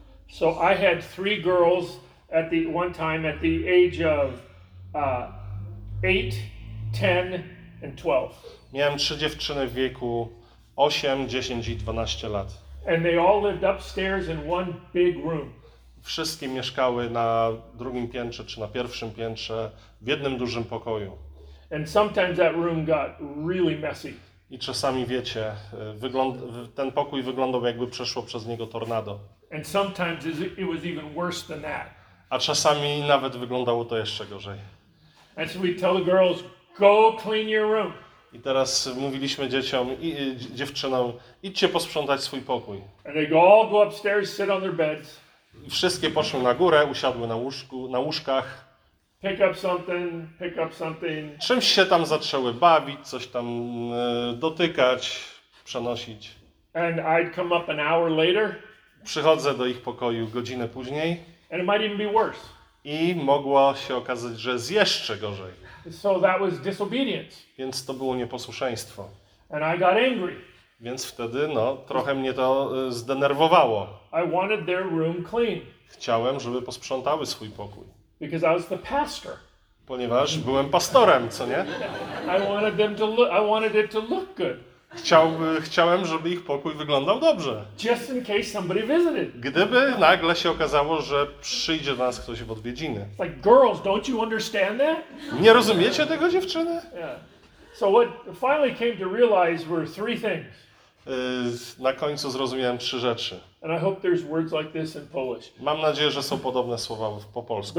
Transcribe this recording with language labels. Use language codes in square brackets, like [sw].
[en] So I had three girls at the one time at the age of 8, 10 and 12. [pl] Miałem trzy dziewczyny w wieku 8, 10 i 12 lat. [en] And they all lived upstairs in one big room. [pl] Wszystkie mieszkały na drugim piętrze czy na pierwszym piętrze w jednym dużym pokoju. [en] And sometimes that room got really messy. [pl] I czasami wiecie, ten pokój wyglądał jakby przeszło przez niego tornado. [en] And sometimes it was even worse than that. [pl] A czasami nawet wyglądało to jeszcze gorzej. [en] And so we tell the girls, go clean your room. [pl] I teraz mówiliśmy dzieciom i dziewczynom, idźcie posprzątać swój pokój. [en] And they all go upstairs, sit on their beds. [pl] Wszystkie poszły na górę, usiadły na łóżku, na łóżkach. [en] Pick up something. [pl] Czymś się tam zaczęły bawić, coś tam dotykać, przenosić. [en] And I'd come up an hour later. [pl] Przychodzę do ich pokoju godzinę później. [en] And it might even be worse. [pl] I mogło się okazać, że jest jeszcze gorzej. [en] So that was disobedience. [pl] Więc to było nieposłuszeństwo. [en] And I got angry. [pl] Więc wtedy no, trochę mnie to zdenerwowało. [en] I wanted their room clean. [pl] Chciałem, żeby posprzątały swój pokój. [en] Because I was the pastor. [pl] Ponieważ byłem pastorem, co nie? [en] I wanted them to look, I wanted it to look good. [pl] Chciałem, żeby ich pokój wyglądał dobrze. [en] Just in case somebody visited. [pl] Gdyby nagle się okazało, że przyjdzie do nas ktoś w odwiedziny. [en] Like, girls, don't you understand that? [pl] Nie rozumiecie tego, dziewczyny? [en] So what finally came to realize were three things. [pl] Na końcu zrozumiałem trzy rzeczy. [en] And I hope there's words like this in Polish. [pl] Mam nadzieję, że są podobne słowa po polsku.